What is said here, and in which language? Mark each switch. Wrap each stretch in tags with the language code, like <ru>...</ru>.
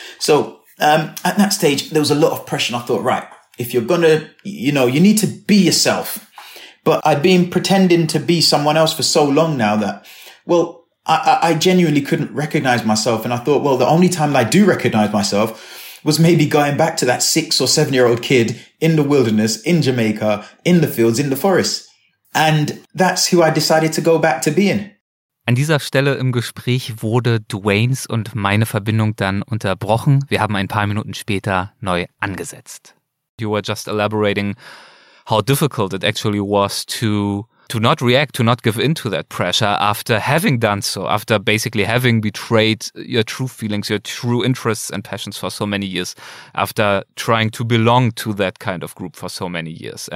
<en>So at that stage, there was a lot of pressure. I thought, right, if you're going to, you know, you need to be yourself. But I'd been pretending to be someone else for so long now that, well, I genuinely couldn't recognize myself. And I thought, well, the only time I do recognize myself was maybe going back to that 6 or 7 year old kid in the wilderness, in Jamaica, in the fields, in the forest. And that's who I decided to go back to being.</en> <de>An dieser Stelle im Gespräch wurde Dwaynes und meine Verbindung dann unterbrochen. Wir haben ein paar Minuten später neu angesetzt.</de> <en>You were just elaborating how difficult it actually was to not react, to not give in to that pressure after having done so, after basically having betrayed your true feelings, your true interests and passions for so many years, after trying to belong to that kind of group for so many years.</en>